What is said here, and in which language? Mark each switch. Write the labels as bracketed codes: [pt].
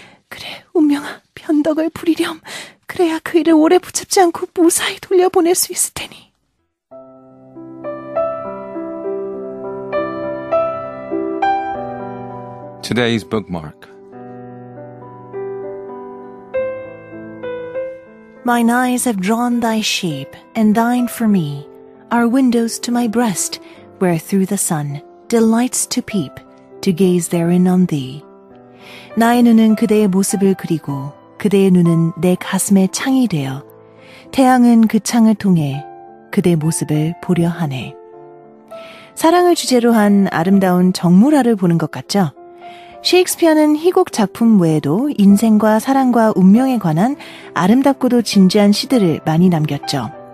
[ko] 그래, 운명아, 변덕을 부리렴. 그래야 그 일을 오래 붙잡지 않고 무사히 돌려보낼 수 있을 테니. 오늘의 bookmark. [en] Mine eyes have drawn thy shape, and thine for me are windows to my breast, where through the sun delights to peep, to gaze therein on thee. [ko] 나의 눈은 그대의 모습을 그리고 그대의 눈은 내 가슴의 창이 되어 태양은 그 창을 통해 그대 모습을 보려 하네. 사랑을 주제로 한 아름다운 정물화를 보는 것 같죠? 셰익스피어는 희곡 작품 외에도 인생과 사랑과 운명에 관한 아름답고도 진지한 시들을 많이 남겼죠.